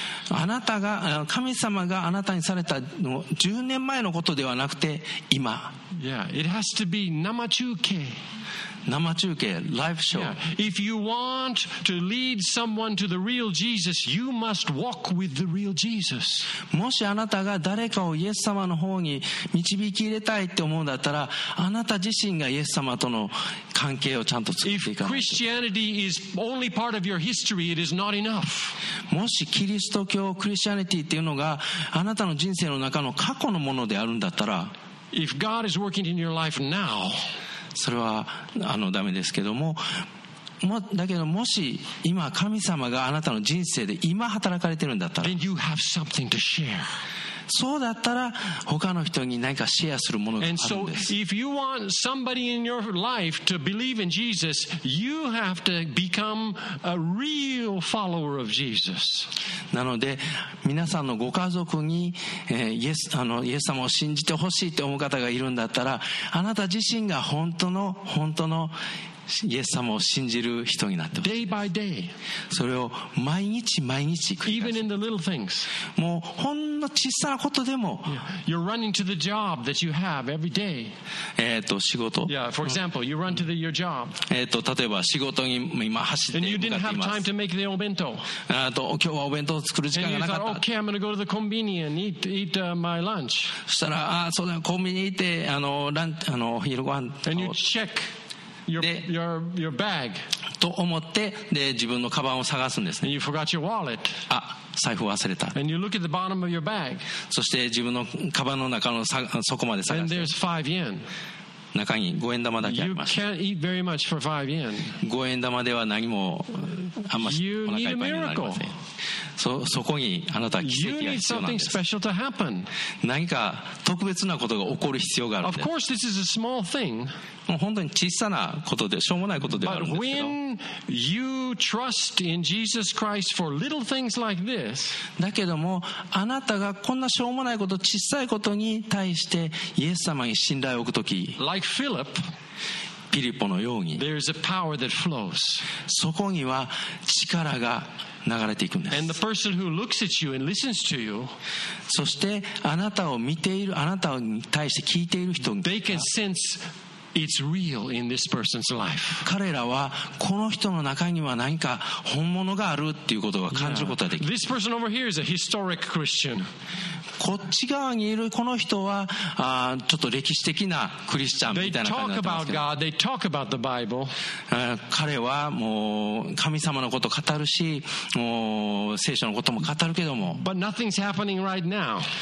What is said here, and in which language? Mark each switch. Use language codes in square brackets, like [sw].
[ja] あなたが神様があなたにされたの10年前のことではなくて今。 [en] Yeah, it has to be [ja] 生中継。生中継、ライブショー。 [en] Yeah. If you want to lead someone to the real Jesus, you must walk with the real Jesus. [ja] もしあなたが誰かをイエス様の方に導き入れたいって思うんだったら、あなた自身がイエス様との関係をちゃんと作っていかないと。 [en] If Christianity is only part of your history, it is not enough. [ja] もしキリスト教、クリスチャニティっていうのがあなたの人生の中の過去のものであるんだったら、 [en] If God is working in your life now. [ja] それはダメですけども、だけどもし今神様があなたの人生で今働かれてるんだったら、 [en] Then you have something to share. [ja] そうだったら他の人に何かシェアするものがあるんです。 [en] And so if you want somebody in your life to believe in Jesus, you have to become a real follower of Jesus. [ja] なので皆さんのご家族に、イエス様を信じてほしいって思う方がいるんだったら、あなた自身が本当のイエス様を信じる人になってほしい。 [en] Day by day. [ja] それを毎日毎日繰り返す。 [en] Even in the little things. [ja] もうほんの小さなことでも。 [en] You're running to the job that you have every day. [ja] 仕事。 [en] Yeah, for example, you run to your job. [ja] 例えば仕事に今走って向かっています。 [en] And you didn't have time to make the obento. [ja] 今日はお弁当を作る時間がなかった。 [en] And you thought, okay, I'm gonna go to the convenience and eat my lunch. [ja] そしたら、そうだ、コンビニ行って、昼ご飯とかを。 [en] And you check. Your bag. [ja] と思って、で自分のカバンを探すんですね。 [en] And you forgot your wallet. [ja] 財布忘れた。 [en] And you look at the bottom of your bag. [ja] そして自分のカバンの中の底まで探して。 [en] And there's 5 yen. [ja] 中に5円玉だけあります。 [en] You can't eat very much for 5 yen. [ja] 5円玉では何もあんまりお腹いっぱいになりません。 [en] You need a miracle. [ja] そこにあなたは奇跡が必要なんです。 [en] You need something special to happen. [ja] 何か特別なことが起こる必要があるんです。 [en] Of course, this is a small thing. [ja] 本当に小さなことで、しょうもないことではあるんですけど。 [en] But when you trust in Jesus Christ for little things like this, [ja] だけども、あなたがこんなしょうもないこと、小さいことに対して、イエス様に信頼を置くとき、 [en] like Philip, [ja] ピリポのように、 [en] there is a power that flows. [ja] そこには力が流れていくんです。 [en] And the person who looks at you and listens to you, [ja] そしてあなたを見ている、あなたに対して聞いている人が、 [en] they can sense. It's real in this person's life. [ja] 彼らはこの人の中には何か本物があるっていうことが感じることができる。 [en] Yeah. This person over here is a historic Christian. [ja] こっち側にいるこの人はちょっと歴史的なクリスチャンみたいな感じになってますけど。 [en] They talk about God. They talk about the Bible. [ja] 彼はもう神様のことを語るし、もう聖書のことも語るけども。 [en] But nothing's happening right now.